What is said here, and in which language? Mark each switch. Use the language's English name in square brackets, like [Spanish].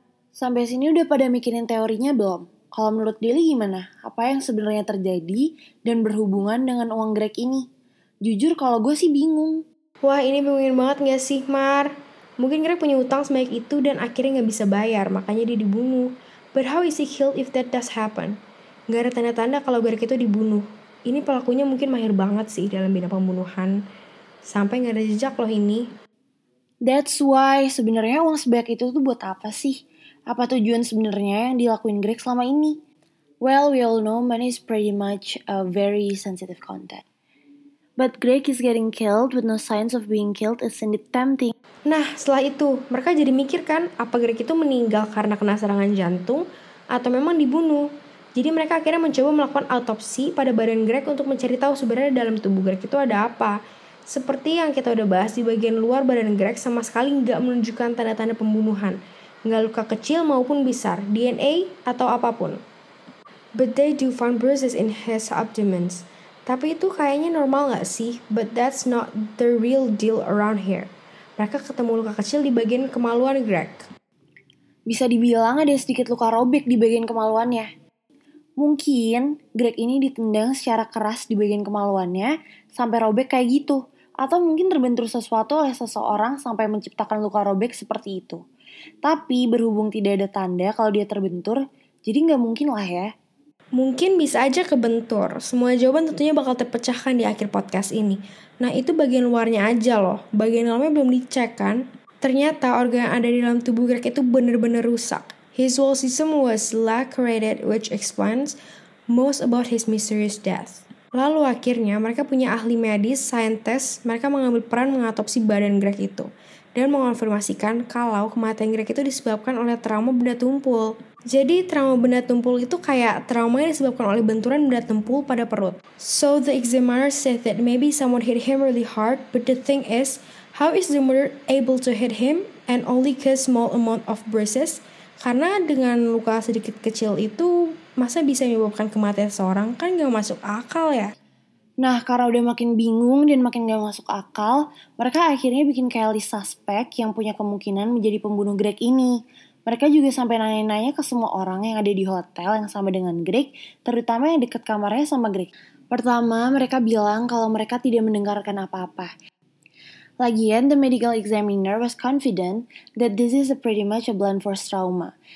[Indonesian] Sampai sini udah pada mikirin teorinya belum? Kalau menurut Deli gimana? Apa yang sebenarnya terjadi dan berhubungan dengan uang Greg ini? Jujur kalau gue sih bingung. Wah, ini bingungin banget gak sih, Mar? Mungkin Greg punya utang sebaik itu dan akhirnya gak bisa bayar, makanya dia dibunuh. [English] But how is he killed if that does happen? [Indonesian] Gak ada tanda-tanda kalau Greg itu dibunuh. Ini pelakunya mungkin mahir banget sih dalam bidang pembunuhan. Sampai gak ada jejak loh ini. [English] That's why [Indonesian] sebenarnya uang sebanyak itu tuh buat apa sih? Apa tujuan sebenarnya yang dilakuin Greg selama ini? [English] Well, we all know money is pretty much a very sensitive content. But Greg is getting killed with no signs of being killed is indeed tempting. [Indonesian] Nah, setelah itu, mereka jadi mikir kan, apa Greg itu meninggal karena kena serangan jantung atau memang dibunuh? Jadi mereka akhirnya mencoba melakukan autopsi pada badan Greg untuk mencari tahu sebenarnya dalam tubuh Greg itu ada apa. Seperti yang kita udah bahas, di bagian luar badan Greg sama sekali nggak menunjukkan tanda-tanda pembunuhan. Nggak luka kecil maupun besar, DNA atau apapun. [English] But they do find bruises in his abdomen. [Indonesian] Tapi itu kayaknya normal nggak sih? [English] But that's not the real deal around here. [Indonesian] Mereka ketemu luka kecil di bagian kemaluan Greg. Bisa dibilang ada sedikit luka robek di bagian kemaluannya. Mungkin Greg ini ditendang secara keras di bagian kemaluannya sampai robek kayak gitu. Atau mungkin terbentur sesuatu oleh seseorang sampai menciptakan luka robek seperti itu. Tapi berhubung tidak ada tanda kalau dia terbentur, jadi nggak mungkin lah ya. Mungkin bisa aja kebentur. Semua jawaban tentunya bakal terpecahkan di akhir podcast ini. Nah itu bagian luarnya aja loh. Bagian dalamnya belum dicek kan? Ternyata organ yang ada di dalam tubuh Greg itu benar-benar rusak. [English] His whole system was lacerated, which explains most about his mysterious death. [Indonesian] Lalu akhirnya mereka punya ahli medis, saintis, mereka mengambil peran mengatopsi badan Greg itu dan mengonfirmasikan kalau kematian Greg itu disebabkan oleh trauma benda tumpul. Jadi trauma benda tumpul itu kayak trauma yang disebabkan oleh benturan benda tumpul pada perut. [English] So the examiner said that maybe someone hit him really hard, but the thing is, how is the murderer able to hit him and only cause small amount of bruises? [Indonesian] Karena dengan luka sedikit kecil itu, masa bisa menyebabkan kematian seseorang? Kan gak masuk akal ya? Nah, karena udah makin bingung dan makin gak masuk akal, mereka akhirnya bikin kayak list suspek yang punya kemungkinan menjadi pembunuh Greg ini. Mereka juga sampai nanya-nanya ke semua orang yang ada di hotel yang sama dengan Greg, terutama yang dekat kamarnya sama Greg. Pertama, mereka bilang kalau mereka tidak mendengarkan apa-apa. [English] Lagian, the medical examiner was confident that this is a pretty much a blunt force trauma.